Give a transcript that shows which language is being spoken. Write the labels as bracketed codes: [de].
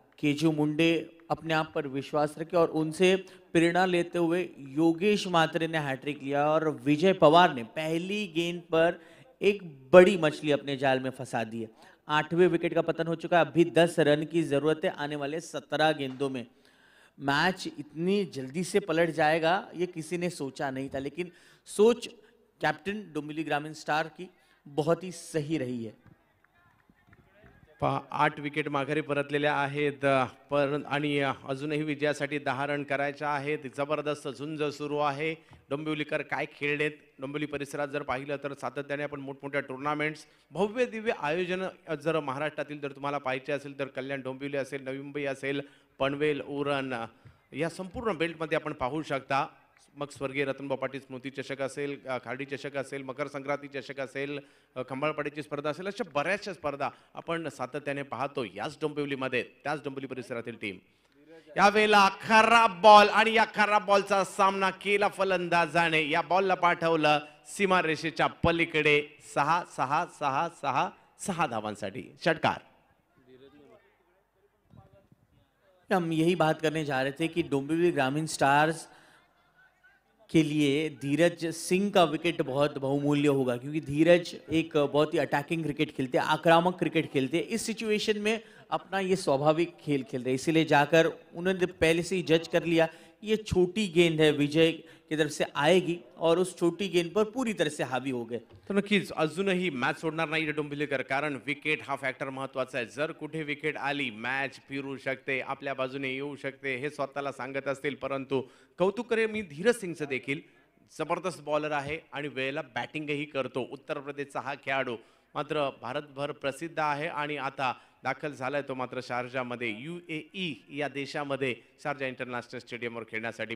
[hi] केजू मुंडे अपने आप पर विश्वास रखे और उनसे प्रेरणा लेते हुए योगेश मात्रे ने हैट्रिक लिया और विजय पवार ने पहली गेंद पर एक बड़ी मछली अपने जाल में फंसा दी है. 8वें विकेट का पतन हो चुका है, अभी 10 रन की जरूरत है आने वाले 17 गेंदों में. मैच इतनी जल्दी से पलट जाएगा ये किसी ने सोचा नहीं था, लेकिन सोच कैप्टन डोमिली ग्रामीण स्टार की बहुत ही सही रही है। [mr] 8 विकेट माघारी परतलेले आहेत पर आणि अजूनही विजयासाठी 10 रन करायचे आहेत। जबरदस्त झुंज सुरू आहे। डोंबिवलीकर काय खेळलेत, डोंबिवली परिसरात जर पाहिलं तर सातत्याने आपण मोठमोठ्या टूर्नामेंट्स, भव्य दिव्य आयोजन जर महाराष्ट्रातील जर तुम्हाला पाहायचे असेल तर कल्याण डोंबिवली असेल, नवी मुंबई असेल, पनवेल, उरण या संपूर्ण बेल्टमध्ये आपण पाहू शकता। मग स्वर्गीय रतनबा पाटील स्मृती चषक असेल, खार्डी चषक असेल, मकर संक्रांती चषक असेल, खंबाळपाडीची स्पर्धा असेल, अशा बऱ्याचशा स्पर्धा आपण सातत्याने पाहतो याच डोंबिवलीमध्ये, त्याच डोंबिवली परिसरातील टीम। यावेळेला खराब बॉल आणि या खराब बॉलचा सामना केला फलंदाजाने, या बॉलला पाठवलं सीमारेषेच्या पलीकडे, 6-6-6-6-6 धावांसाठी षटकार। [hi] हम यही बात करने जा रहे थे कि डोंबिवली ग्रामीण स्टार्स के लिए धीरज सिंह का विकेट बहुत बहुमूल्य होगा, क्योंकि धीरज एक बहुत ही अटैकिंग क्रिकेट खेलते हैं, आक्रामक क्रिकेट खेलते हैं, इस सिचुएशन में अपना ये स्वाभाविक खेल खेल रहे, इसीलिए जाकर उन्होंने पहले से ही जज कर लिया ये छोटी गेंद है विजय की तरफ से आएगी और उस छोटी गेंद पर पूरी तरह से हावी हो गए। [mr] तो नक्कीच अजूनही मॅच सोडणार नाही डोंबिवलीकर, कारण विकेट हा फॅक्टर महत्त्वाचा आहे, जर कुठे विकेट आली मॅच फिरू शकते, आपल्या बाजूने येऊ शकते हे स्वतःला सांगत असतील। परंतु कौतुक करे मी धीरज सिंगचं देखील, जबरदस्त बॉलर आहे आणि वेळेला बॅटिंगही करतो, उत्तर प्रदेशचा हा खेळाडू मात्र भारतभर प्रसिद्ध आहे आणि आता दाखल झालाय तो मात्र शारजामध्ये, UAE या देशामध्ये शारजा इंटरनॅशनल स्टेडियमवर खेळण्यासाठी।